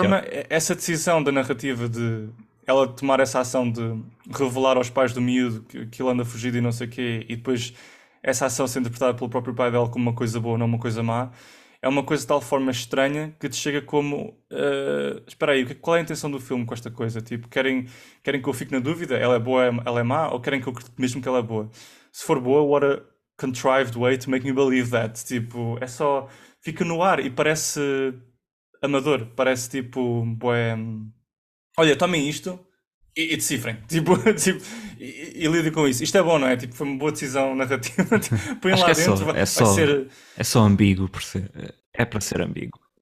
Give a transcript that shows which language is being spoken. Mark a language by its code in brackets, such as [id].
[pt] forma, essa decisão da narrativa de ela tomar essa ação de revelar aos pais do miúdo que ele anda fugido e não sei o quê, e depois essa ação ser interpretada pelo próprio pai dela como uma coisa boa, não uma coisa má, é uma coisa de tal forma estranha que te chega como. Espera aí, qual é a intenção do filme com esta coisa? Tipo, querem que eu fique na dúvida? Ela é boa, ela é má? Ou querem que eu acredite mesmo que ela é boa? Se for boa, [en] what a contrived way to make me believe that. [pt] Tipo, é só. Fica no ar e parece. Amador, parece tipo, bué. Olha, tomem isto e decifrem. Tipo, e lidem com isso. Isto é bom, não é? Tipo, foi uma boa decisão narrativa. Põem Acho que lá dentro, vai ser. é só ambíguo por ser, é para ser ambíguo.